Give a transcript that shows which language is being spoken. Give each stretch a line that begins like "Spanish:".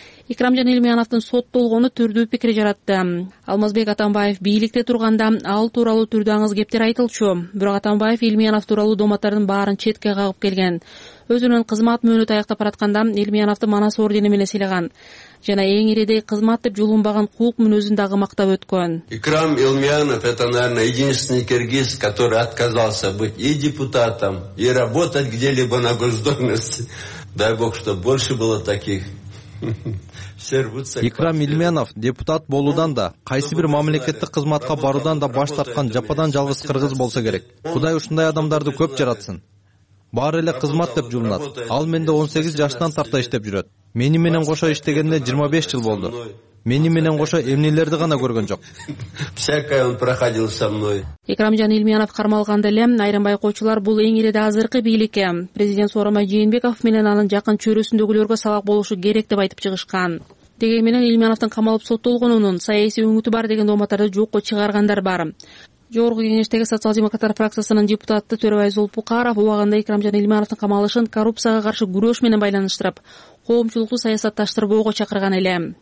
Kyrgyz: Икрамжан Илмияновдун соттолгону түрдүү пикир жаратты. Алмазбек Атамбаев бийликте турганда ал тууралуу түрдүү аңыз кептер айтылчу, бирок Атамбаев Илмиянов тууралуу дооматтардын баарын четке кагып келген. өзүнүн кызмат мөөнөтү аяктап баратканда Элмияновду Манас ордени менен сыйлаган жана эң ирэдей кызмат деп жулунбаган кулук мүнөзүн дагы мактап өткөн.
Russian: Икрам Элмиянов это, наверное, единственный киргиз, который отказался быть и депутатом, и работать где-либо на госдолжности. Дай бог, чтобы больше было таких.
Kyrgyz: Икрам Элмиянов депутат болуудан да, кайсы бир мамлекеттик кызматка баруудан да баш тарткан жападан жалгыз кыргыз болсо керек. Кудай ушундай адамдарды көп жаратсын. Баары эле кызмат деп жүрөт. Ал менде 18 жаштан тарта иштеп жүрөт. Мени менен кошо иштегенине 25 жыл болду. Мени менен кошо эмнелерди гана көргөн жок.
Russian: Всякое он проходил со мной.
Kyrgyz: Икрамжан Элмиянов кармалганда эле айрым байкоочулар бул эң ирэде азыркы бийликке президент Сооронбай Жээнбеков менен анын жакын чөйрөсүндөгүлөргө сабак болушу керек деп айтып чыгышкан. Деген менен Элмияновдун камалып соттолгонунун саясий өңүтү бар деген дооматтарды жокко чыгаргандар бар. Жогорку кеңештеги социал демократтар фракциясынын депутаты Төрөбай Зулпукаров убагында Икрамжан Элмияновдун камалышын коррупцияга каршы күрөш менен байланыштырып, коомчулукту саясатташтырбоого чакырган эле.